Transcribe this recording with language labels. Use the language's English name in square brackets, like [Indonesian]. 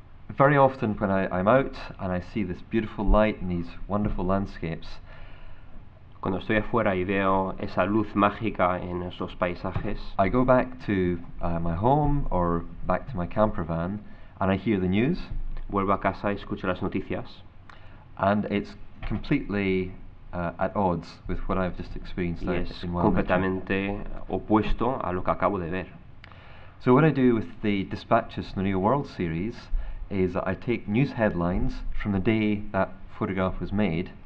[English] very often when I'm out and I see this beautiful light and these wonderful landscapes, [Spanish] cuando estoy afuera y veo esa luz mágica en esos paisajes, [English] I go back to my home or back to my camper van and I hear the news. [Spanish] Vuelvo a casa y escucho las noticias. [English] And it's completely at odds with what I've just experienced. [Spanish] Y es completamente opuesto a lo que acabo de ver. [English] So what I do with the dispatches in the New World series is I take news headlines from the day that photograph was made.